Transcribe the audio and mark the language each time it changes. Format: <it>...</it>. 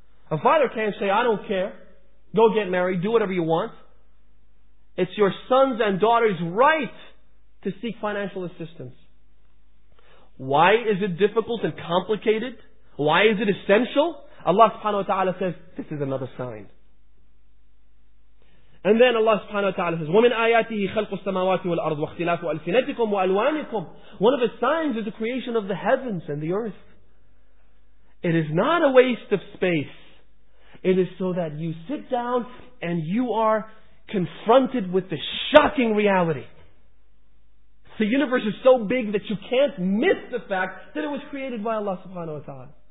<en>A father can't say, I don't care. Go get married. Do whatever you want. It's your son's and daughter's right to seek financial assistance. Why is it difficult and complicated? Why is it essential? Allah subhanahu wa ta'ala says, this is another sign. And then Allah subhanahu wa ta'ala says,</en> <ar>وَمِنْ آيَاتِهِ خَلْقُ السَّمَاوَاتِ وَالْأَرْضِ وَاخْتِلَافُ أَلْسِنَتِكُمْ وَأَلْوَانِكُمْ.</ar> <en>One of the signs is the creation of the heavens and the earth. It is not a waste of space. It is so that you sit down and you are confronted with the shocking reality. The universe is so big that you can't miss the fact that it was created by Allah subhanahu wa ta'ala.</en>